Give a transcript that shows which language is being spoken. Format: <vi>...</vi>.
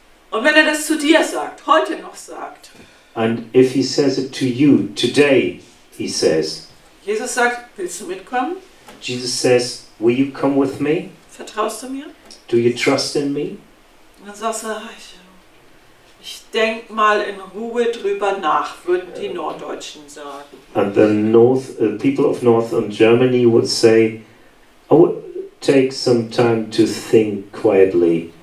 <de>Und wenn er das zu dir sagt, heute noch sagt.</de> <en>And if he says it to you today, he says.</en> <de>Jesus sagt, willst du mitkommen?</de> <en>Jesus says, will you come with me?</en> <de>Vertraust du mir?</de> <en>Do you trust in me?</en> <de>Und dann sagst du, ich denk mal in Ruhe drüber nach, würden die Norddeutschen sagen.</de> <en>And the North, people of Northern Germany would say, oh, take some time to think quietly.</en>